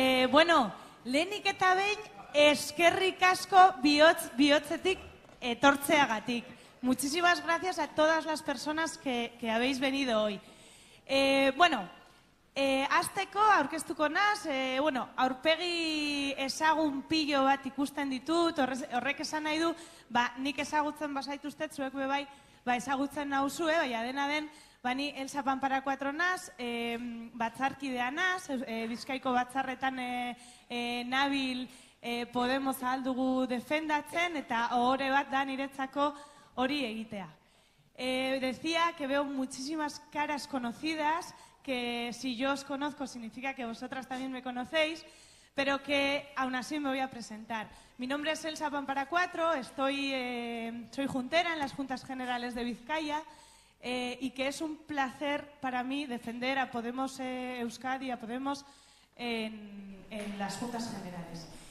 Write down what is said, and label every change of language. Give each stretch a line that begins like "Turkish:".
Basque: Bueno, lehenik eta behin, eskerrik asko bihotzetik etortzeagatik.
Spanish: Muchísimas gracias a todas las personas que habéis venido hoy.
Basque: Bueno, hasteko aurkeztuko naz, bueno, aurpegi ezagun pillo bat ikusten ditut, horrek esan nahi du, ba, nik ezagutzen bazaituztet, zuek bebai, ba, ezagutzen nauzue, bai, adena den, bani Elsa Pampara 4 naz, batzarkidea naz, Bizkaiko batzarretan nabil Podemos aldugu defendatzen, eta ohore bat da niretzako hori egitea.
Spanish: Decía que veo muchísimas caras conocidas, que si yo os conozco significa que vosotras también me conocéis, pero que aún así me voy a presentar. Mi nombre es Elsa Pampara 4, soy juntera en las Juntas Generales de Vizcaya y que es un placer para mí defender a Podemos Euskadi, a Podemos en las Juntas Generales.